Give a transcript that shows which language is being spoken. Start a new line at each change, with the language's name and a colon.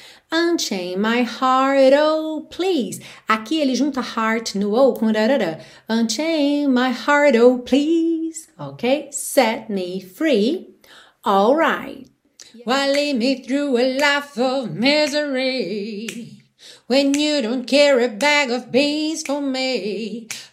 English: Unchain my heart, oh please.
Portuguese: Aqui ele junta heart no O com rarara.
English: Unchain my heart, oh please. Ok? Set me free. All right. Why lead me through a life of misery when you don't care a bag of beans for me?